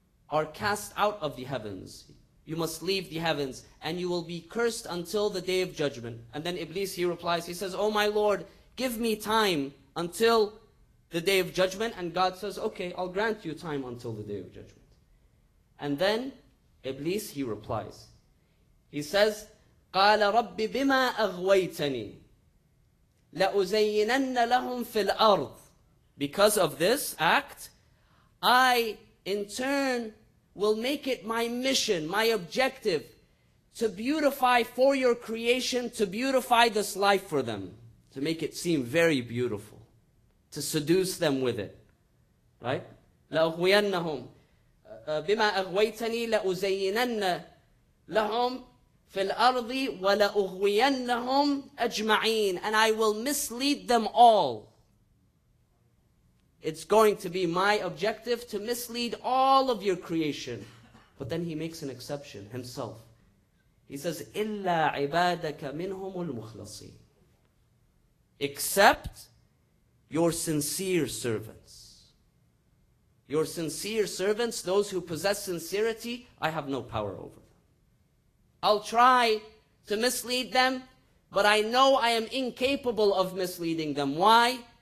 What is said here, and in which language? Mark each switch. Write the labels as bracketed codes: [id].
[en] are cast out of the heavens. You must leave the heavens, and you will be cursed until the day of judgment. And then Iblis, he replies, he says, oh my Lord, give me time until the day of judgment. And God says, okay, I'll grant you time until the day of judgment. And then Iblis, he replies. He says, [ar] قَالَ رَبِّ بِمَا أَغْوَيْتَنِي لَأُزَيِّنَنَّ لَهُمْ فِي الْأَرْضِ. [en] Because of this act, I in turn will make it my mission, my objective, to beautify for your creation, to beautify this life for them, to make it seem very beautiful, to seduce them with it. Right? [ar] لَأُغْوِيَنَّهُمْ بِمَا أَغْوَيْتَنِي لَأُزَيِّنَنَّ لَهُمْ فِي الْأَرْضِ وَلَأُغْوِيَنَّهُمْ أَجْمَعِينَ. [en] And I will mislead them all. It's going to be my objective to mislead all of your creation. But then he makes an exception himself. He says, [ar] إِلَّا عِبَادَكَ مِنْهُمُ الْمُخْلَصِينَ. [en] Except your sincere servants. Your sincere servants, those who possess sincerity, I have no power over them. I'll try to mislead them, but I know I am incapable of misleading them. Why?